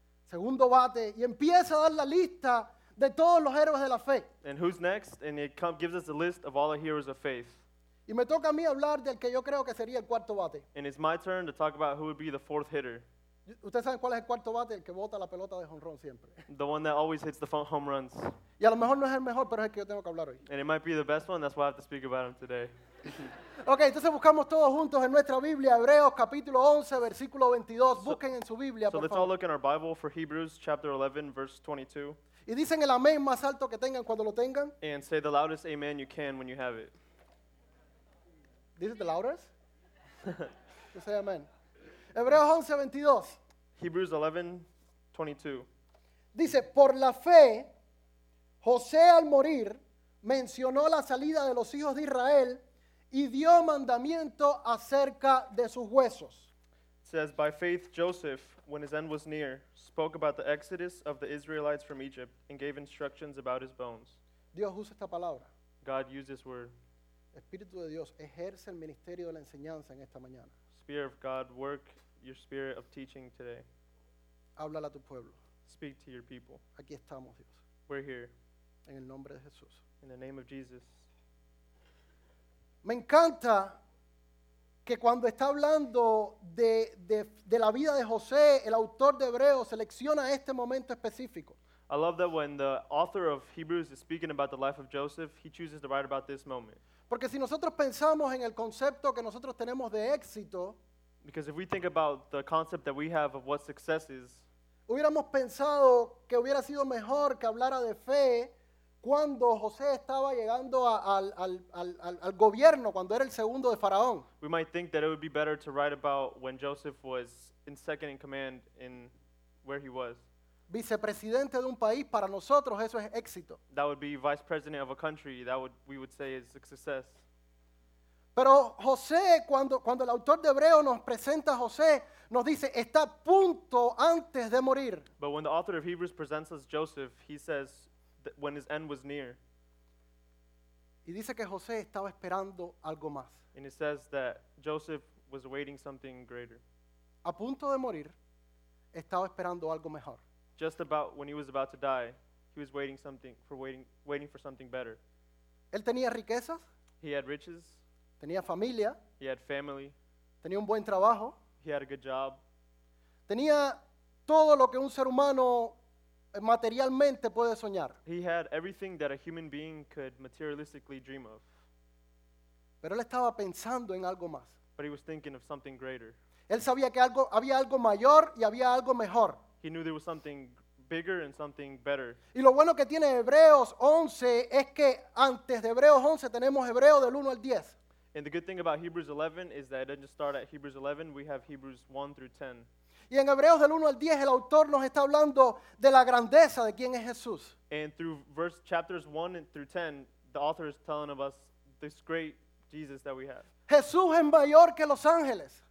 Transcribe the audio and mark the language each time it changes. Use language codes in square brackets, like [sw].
[es] Segundo bate, y empieza a dar la lista de todos los héroes de la fe. [en] And who's next? And it gives us a list of all the heroes of faith. [es] Y me toca a mí hablar del que yo creo que sería el cuarto bate. [en] And it's my turn to talk about who would be the fourth hitter. [es] ¿Ustedes saben cuál es el cuarto bate? El que bota la pelota de jonrón siempre. [en] The one that always hits the home runs. [es] Y a lo mejor no es el mejor, pero es el que yo tengo que hablar hoy. [en] And it might be the best one, that's why I have to speak about him today. [es] Ok, entonces buscamos todos juntos en nuestra Biblia, Hebreos capítulo 11, versículo 22. So, busquen en su Biblia, [en] so [es] por favor. [en] So let's all look in our Bible for Hebrews chapter 11, verse 22. [es] Y dicen el amén más alto que tengan cuando lo tengan. [en] And say the loudest amen you can when you have it. This is the loudest? You say amen. Hebreos 11, 22. Hebrews 11, 22. [es] Dice, por la fe, José al morir mencionó la salida de los hijos de Israel y dio mandamiento acerca de sus huesos. [en] It says, by faith Joseph, when his end was near, spoke about the exodus of the Israelites from Egypt and gave instructions about his bones. [es] Dios usa esta palabra. [en] God used this word. [es] Espíritu de Dios ejerce el ministerio de la enseñanza en esta mañana. [en] Spirit of God, work your spirit of teaching today. [es] Háblale a tu pueblo. [en] Speak to your people. [es] Aquí estamos, Dios. [en] We're here. [es] En el nombre de Jesús. [en] In the name of Jesus. [es] Me encanta que cuando está hablando de la vida de José, el autor de Hebreos selecciona este momento específico. [en] I love that when the author of Hebrews is speaking about the life of Joseph, he chooses to write about this moment. [es] Porque si nosotros pensamos en el concepto que nosotros tenemos de éxito, [en] because if we think about the concept that we have of what success is, [es] hubiéramos pensado que hubiera sido mejor que hablara de fe cuando José estaba llegando al gobierno, cuando era el segundo de Faraón. [en] We might think that it would be better to write about when Joseph was in second in command in where he was. [es] Vicepresidente de un país, para nosotros eso es éxito. [en] That would be vice president of a country, we would say is a success. [es] Pero José, cuando el autor de Hebreo nos presenta a José, nos dice, está a punto antes de morir. [en] But when the author of Hebrews presents us Joseph, he says, when his end was near. [es] Y dice que José estaba esperando algo más. [en] And it says that Joseph was awaiting something greater. [es] A punto de morir, estaba esperando algo mejor. [en] Just about when he was about to die, he was waiting for something better. [es] Él tenía riquezas. [en] He had riches. [es] Tenía familia. [en] He had family. [es] Tenía un buen trabajo. [en] He had a good job. [es] Tenía todo lo que un ser humano materialmente puede soñar. [en] He had everything that a human being could materialistically dream of. [es] Pero él estaba pensando en algo más. [en] But he was thinking of something greater. [es] Él sabía que algo, había algo mayor y había algo mejor. [en] He knew there was something bigger and something better. [es] Y lo bueno que tiene Hebreos 11 es que antes de Hebreos 11 tenemos Hebreos del 1 al 10. [en] And the good thing about Hebrews 11 is that it doesn't just start at Hebrews 11, we have Hebrews 1 through 10. [es] Y en Hebreos del 1 al 10 el autor nos está hablando de la grandeza de quién es Jesús. [en] And through verse chapters 1 through 10, the author is telling of us this great Jesus that we have. [es] Jesús es mayor que los ángeles.